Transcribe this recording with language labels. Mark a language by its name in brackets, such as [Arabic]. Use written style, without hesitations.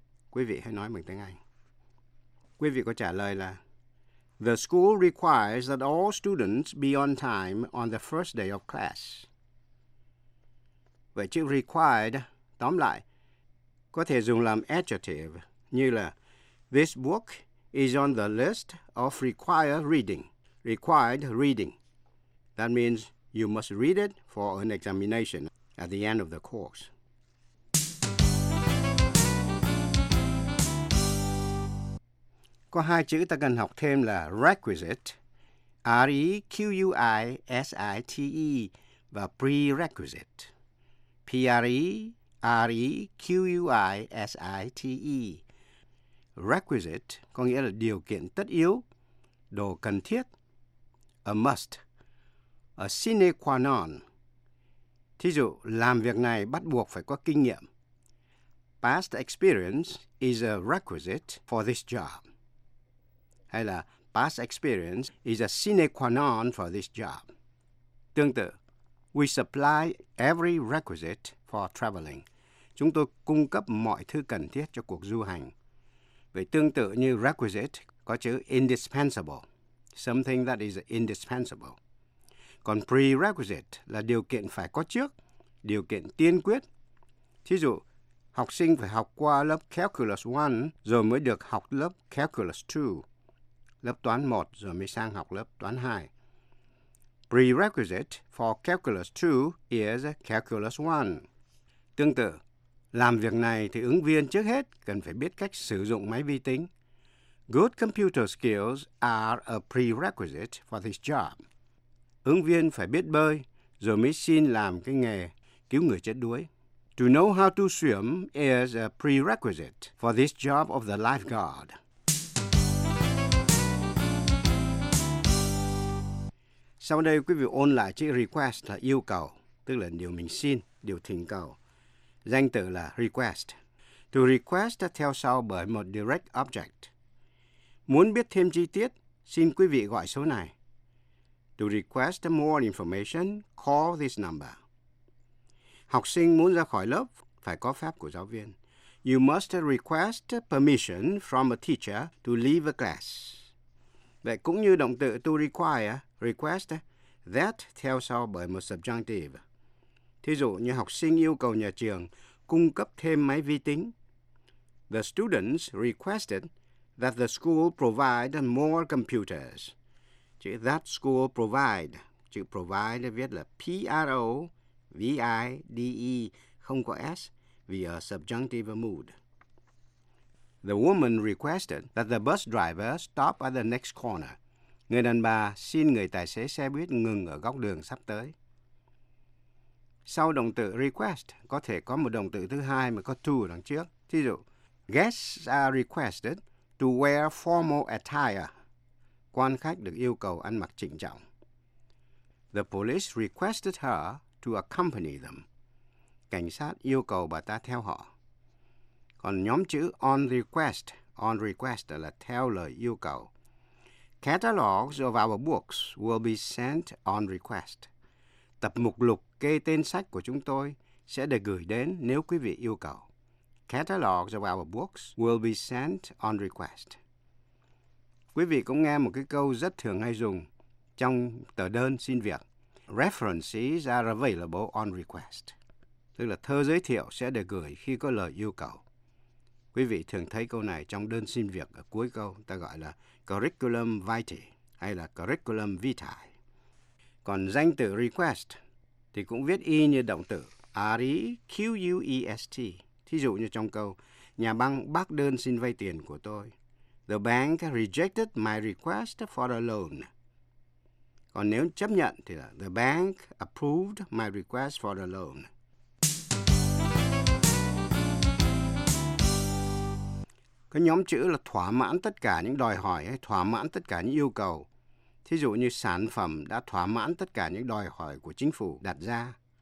[Vietnamese] Quý vị hãy nói bằng tiếng Anh. Quý vị có trả lời là [English] the school requires that all students be on time on the first day of class. [Vietnamese] Vậy chữ required, tóm lại, có thể dùng làm adjective như là [English] this book is on the list of required reading. Required reading. That means you must read it for an examination at the end of the course. [Vietnamese] Có hai chữ ta cần học thêm là requisite, requisite, và prerequisite, prerequisite. Requisite có nghĩa là điều kiện tất yếu, đồ cần thiết, a must, a sine qua non. Thí dụ, làm việc này bắt buộc phải có kinh nghiệm. [English] Past experience is a requisite for this job. Hay là past experience is a sine qua non for this job. [Vietnamese] Tương tự, [English] we supply every requisite for traveling. [Vietnamese] Chúng tôi cung cấp mọi thứ cần thiết cho cuộc du hành. Vậy tương tự như requisite có chữ indispensable, [English] something that is indispensable. [Vietnamese] Còn prerequisite là điều kiện phải có trước, điều kiện tiên quyết. Thí dụ, học sinh phải học qua lớp Calculus 1 rồi mới được học lớp Calculus 2. Lớp toán 1 rồi mới sang học lớp toán 2. [English] Prerequisite for Calculus 2 is Calculus 1. [Vietnamese] Tương tự, làm việc này thì ứng viên trước hết cần phải biết cách sử dụng máy vi tính. [English] Good computer skills are a prerequisite for this job. [Vietnamese] Ứng viên phải biết bơi rồi mới xin làm cái nghề cứu người chết đuối. [English] To know how to swim is a prerequisite for this job of the lifeguard. [Vietnamese] Sau đây quý vị ôn lại chữ request là yêu cầu, tức là điều mình xin, điều thỉnh cầu. Danh từ là request. To request theo sau bởi một direct object. Muốn biết thêm chi tiết, xin quý vị gọi số này. [English] To request more information, call this number. [Vietnamese] Học sinh muốn ra khỏi lớp, phải có phép của giáo viên. [English] You must request permission from a teacher to leave a class. [Vietnamese] Vậy cũng như động từ to require, request, that theo sau bởi một subjunctive. Thí dụ như học sinh yêu cầu nhà trường cung cấp thêm máy vi tính. [English] The students requested that the school provide more computers. [Vietnamese] Chữ that school provide, chữ provide viết là P-R-O-V-I-D-E, không có S, vì ở subjunctive mood. [English] The woman requested that the bus driver stop at the next corner. [Vietnamese] Người đàn bà xin người tài xế xe buýt ngừng ở góc đường sắp tới. Sau động từ request, có thể có một động từ thứ hai mà có to đằng trước. Thí dụ, [English] guests are requested to wear formal attire. [Vietnamese] Quan khách được yêu cầu ăn mặc chỉnh trọng. [English] The police requested her to accompany them. [Vietnamese] Cảnh sát yêu cầu bà ta theo họ. Còn nhóm chữ on request là theo lời yêu cầu. [English] Catalogs of our books will be sent on request. [Vietnamese] Tập mục lục kê tên sách của chúng tôi sẽ được gửi đến nếu quý vị yêu cầu. [English] Catalogs of our books will be sent on request. [Vietnamese] Quý vị cũng nghe một cái câu rất thường hay dùng trong tờ đơn xin việc. [English] References are available on request. [Vietnamese] Tức là thơ giới thiệu sẽ được gửi khi có lời yêu cầu. Quý vị thường thấy câu này trong đơn xin việc ở cuối câu, ta gọi là curriculum vitae hay là curriculum vitae. Còn danh từ request thì cũng viết y như động từ request. Thí dụ như trong câu, nhà băng bác đơn xin vay tiền của tôi. [English] The bank rejected my request for a loan. [Vietnamese] Còn nếu chấp nhận thì là [English] the bank approved my request for a loan. [Vietnamese] Cái nhóm chữ là thỏa mãn tất cả những đòi hỏi hay thỏa mãn tất cả những yêu cầu. Thí dụ như sản phẩm đã thỏa mãn tất cả những đòi hỏi của chính phủ đặt ra.